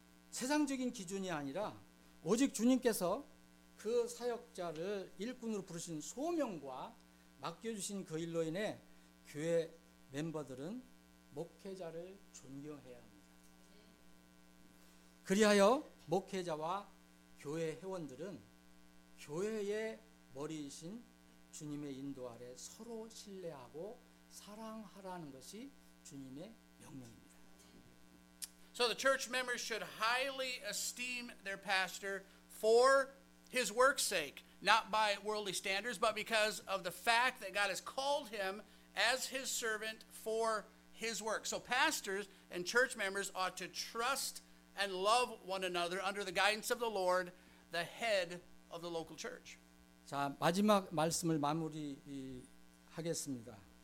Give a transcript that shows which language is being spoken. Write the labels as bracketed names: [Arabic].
[Korean] 세상적인 기준이 아니라 오직 주님께서 그 사역자를 일꾼으로 부르신 소명과 맡겨 주신 그 일로 인해 교회 멤버들은 목회자를 존경해야 합니다. 그리하여 목회자와 교회 회원들은 교회의 머리이신 주님의 인도 아래 서로 신뢰하고 사랑하라는 것이 주님의 명령입니다. [English] So the church members should highly esteem their pastor for his work's sake, not by worldly standards, but because of the fact that God has called him as his servant for his work. So pastors and church members ought to trust and love one another under the guidance of the Lord, the head of the local church. [Korean] 자 마지막 말씀을 마무리하겠습니다.